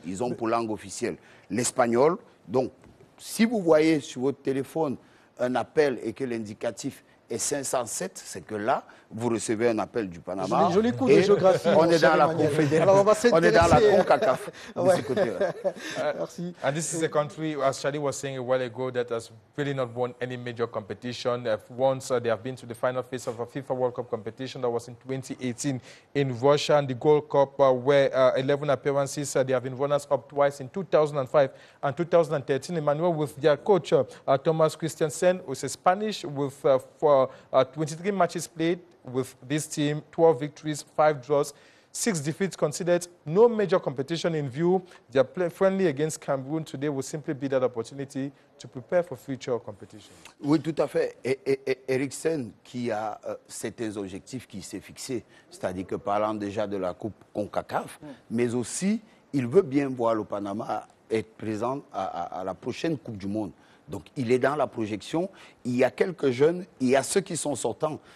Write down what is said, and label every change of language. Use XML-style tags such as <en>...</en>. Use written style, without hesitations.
<fr>Ils ont pour langue officielle l'espagnol. Donc, si vous voyez sur votre téléphone un appel et que l'indicatif est 507, c'est que là, vous recevez un appel du Panama. J'ai des jolis coups de géographie. On est dans la Confédération. On est dans la CONCACAF de ce côté-là. Merci.</fr> <en>And this is a country, as Charlie was saying a while ago, that has really not won any major competition. They have been to the final phase of a FIFA World Cup competition that was in 2018 in Russia, and the Gold Cup where 11 appearances, they have been runners-up twice in 2005 and 2013. Emmanuel, with their coach, Thomas Christiansen, who is a Spanish, with 23 matches played with this team, 12 victories, 5 draws, 6 defeats conceded, no major competition in view. Their friendly against Cameroon today will simply be that opportunity to prepare for future competition.</en> <fr>Oui, tout à fait. Et Eriksen, qui a certains objectifs qui s'est fixé, c'est-à-dire que parlant déjà de la Coupe CONCACAF, mais aussi, il veut bien voir le Panama être présent à la prochaine Coupe du Monde. Donc, il est dans la projection. Il y a quelques jeunes, il y a ceux qui sont sortants.</fr>